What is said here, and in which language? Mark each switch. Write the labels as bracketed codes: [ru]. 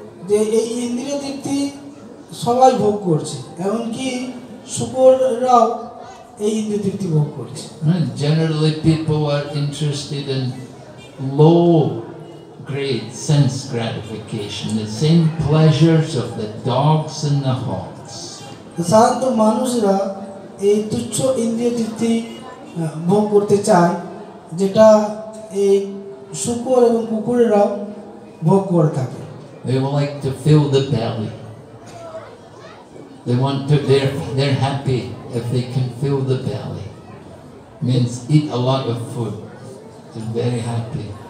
[bn] যে এই ইন্দ্রিয় তৃপ্তি সবাই ভোগ করছে এমনকি শুকররাও এই ইন্দ্রিয় তৃপ্তি ভোগ করছে [en] generally people are interested in low grade sense gratification the same pleasures of the dogs and the hawks [bn] সাধারণত মানুষরা এই তুচ্ছ ইন্দ্রিয় তৃপ্তি ভোগ করতে চায় যেটা এই শুকর এবং কুকুরেরাও ভোগ করে থাকে [en] They would like to fill the belly. They want to, they're happy if they can fill the belly. Means eat a lot of food. They're very happy.